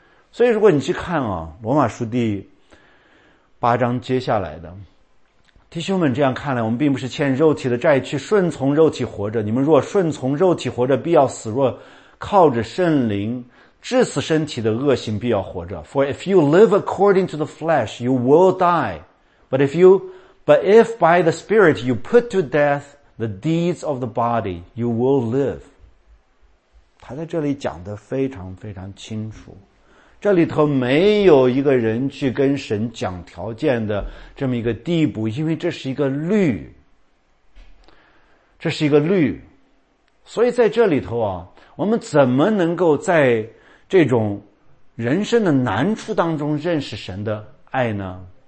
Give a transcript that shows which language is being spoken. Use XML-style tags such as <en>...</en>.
<zh>所以如果你去看啊，罗马书第八章接下来的弟兄们，这样看来我们并不是欠肉体的债，去顺从肉体活着，你们若顺从肉体活着必要死，若靠着圣灵致死身体的恶行必要活着。</zh> <en>For if you live according to the flesh you will die, but if by the spirit you put to death the deeds of the body you will live.</en> <zh>他在这里讲得非常非常清楚，这里头没有一个人去跟神讲条件的这么一个地步，因为这是一个律，这是一个律。所以在这里头啊，我们怎么能够在这种人生的难处当中认识神的爱呢？</zh>